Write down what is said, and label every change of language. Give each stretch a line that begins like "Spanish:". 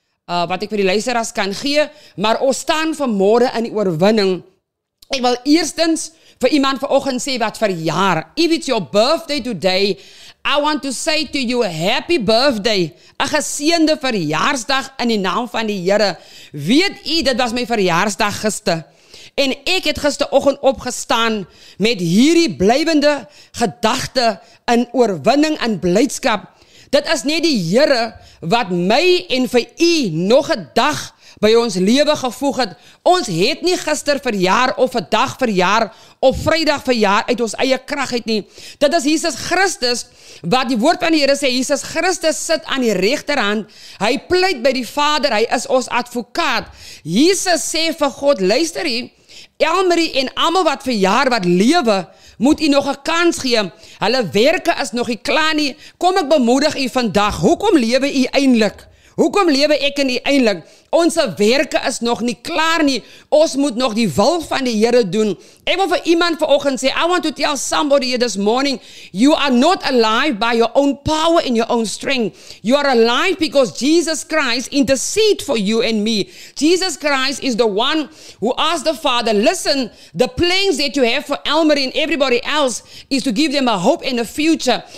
Afrikaans: Wat ek vir die luisteraars kan gee. Maar ons staan vanmôre in die oorwinning. Ek wil eerstens vir iemand vanoggend sê wat verjaar.
English: If it's your birthday today, I want to say to you a happy birthday.
Afrikaans: 'N geseënde verjaarsdag in die naam van die Here. Weet u, dit was my verjaarsdag gister. En ek het gisteroggend opgestaan met hierdie blywende gedagte in oorwinning en blydskap. Dit is net die Here wat my en vir u nog 'n dag by ons lewe gevoeg het. Ons het nie gister verjaar of 'n dag verjaar of Vrydag verjaar uit ons eie krag uit nie. Dit is Jesus Christus wat die woord van die Here sê, Jesus Christus sit aan die regterhand. Hy pleit by die Vader, hy is ons advokaat. Jesus sê vir God, luister hier, Elmarie en almal wat verjaar, wat lewe, moet u nog 'n kans gee. Hulle werke is nog nie klaar nie. Kom ek bemoedig u vandag, hoekom lewe u eindelik? Hoekom lewe ek in die eindelik? Onse werke is nog nie klaar nie. Ons moet nog die wil van die Here doen. Ek wil vir iemand vanoggend sê,
English: I want to tell somebody this morning, you are not alive by your own power and your own strength. You are alive because Jesus Christ intercede for you and me. Jesus Christ is the one who asked the Father, listen, the plans that you have for Elmer and everybody else is to give them a hope and a future.